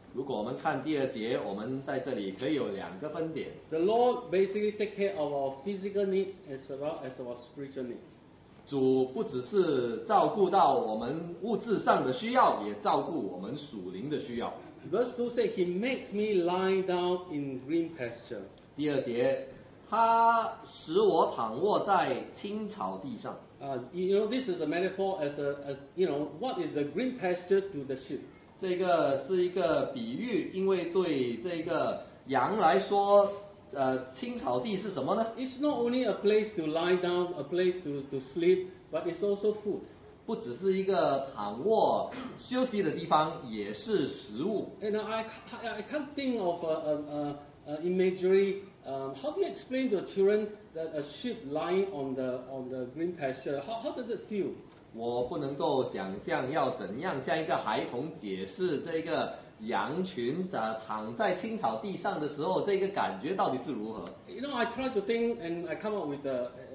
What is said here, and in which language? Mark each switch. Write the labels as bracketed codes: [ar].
[zh] 如果我们看第二节，我们在这里可以有两个分点。 [en] The Lord basically take care of our physical needs as well as our spiritual needs. [zh] 主不只是照顾到我们物质上的需要，也照顾我们属灵的需要。 [en] Verse 2 says, He makes me lie down in green pasture. [zh] 第二节，他使我躺卧在青草地上。 [en] You know, this is a metaphor as a you know, what is the green pasture to the sheep? [zh] 这个是一个比喻，因为对这个羊来说，青草地是什么呢？ [en] It's not only a place to lie down, a place to sleep, but it's also food. [zh] 不只是一个躺卧休息的地方，也是食物。 [en] And I can't think of a imagery. How do you explain to children that a sheep lying on the green pasture? How does it feel? [zh] 我不能够想象要怎样向一个孩童解释这个羊群躺在青草地上的时候，这个感觉到底是如何。 [en] You know, I try to think and I come up with the.